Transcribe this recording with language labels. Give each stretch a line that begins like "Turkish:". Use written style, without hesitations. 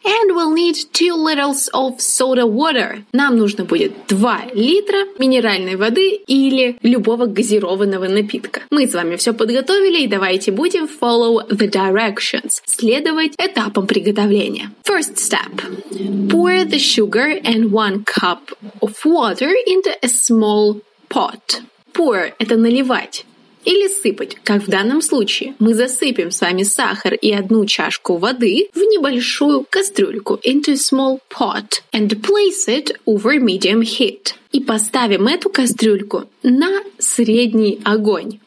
English: And we'll need 2 liters of soda water.
Russian: Нам нужно будет 2 литра минеральной воды или любого газированного напитка. Мы с вами все подготовили, и давайте будем
English: follow the directions.
Russian: Следовать этапам приготовления.
English: First step. Pour the sugar and 1 cup of water into a small pot.
Russian: Pour – это наливать. Или сыпать, как в данном случае. Мы засыпем с вами сахар и одну чашку воды в небольшую кастрюльку.
English: Into a small pot. And place it over medium heat.
Russian: И поставим эту кастрюльку на средний огонь.